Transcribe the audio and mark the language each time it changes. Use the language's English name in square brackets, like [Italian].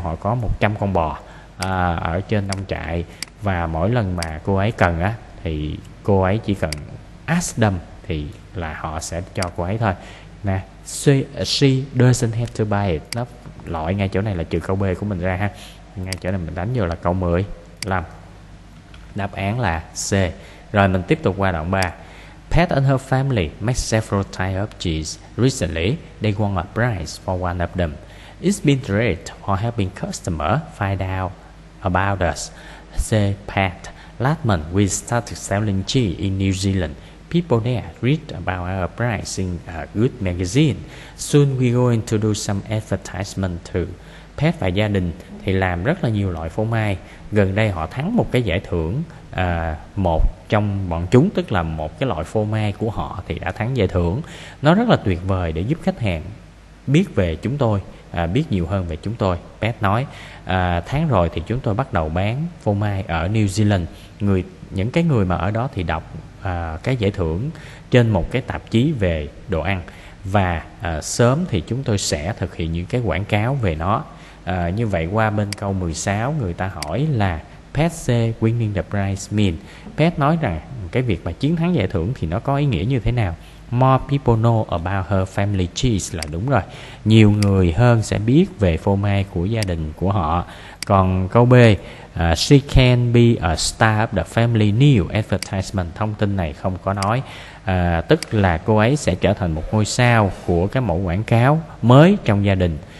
[Vietnamese] Họ có 100 con bò ở trên nông trại, và mỗi lần mà cô ấy cần á thì cô ấy chỉ cần [English] ask them [Vietnamese] thì là họ sẽ cho cô ấy thôi. Nè, [English] she doesn't have to buy it. [Vietnamese] Nó loại ngay chỗ này là trừ câu B của mình ra ha. Ngay chỗ này mình đánh vô là câu 15. Đáp án là C. Rồi mình tiếp tục qua đoạn 3. [English] Pat and her family made several types of cheese. Recently, they won a prize for one of them. It's been great for helping customers find out about us, said Pat. Last month, we started selling cheese in New Zealand. People there read about our prize in a good magazine. Soon we're going to do some advertisement too. [Vietnamese] Pat và gia đình thì làm rất là nhiều loại phô mai. Gần đây họ thắng một cái giải thưởng, một trong bọn chúng, tức là một cái loại phô mai của họ thì đã thắng giải thưởng. Nó rất là tuyệt vời để giúp khách hàng biết về chúng tôi, biết nhiều hơn về chúng tôi. Pat nói, tháng rồi thì chúng tôi bắt đầu bán phô mai ở New Zealand. Những cái người mà ở đó thì đọc cái giải thưởng trên một cái tạp chí về đồ ăn. Và sớm thì chúng tôi sẽ thực hiện những cái quảng cáo về nó. Như vậy qua bên câu 16, người ta hỏi là [English] Pat say winning the prize mean. [Vietnamese] Pat nói rằng cái việc mà chiến thắng giải thưởng thì nó có ý nghĩa như thế nào? [English] More people know about her family cheese, [Vietnamese] là đúng rồi. Nhiều người hơn sẽ biết về phô mai của gia đình của họ. Còn câu B, [English] she can be a star of the family new advertisement. [Vietnamese] Thông tin này không có nói. Tức là cô ấy sẽ trở thành một ngôi sao của cái mẫu quảng cáo mới trong gia đình.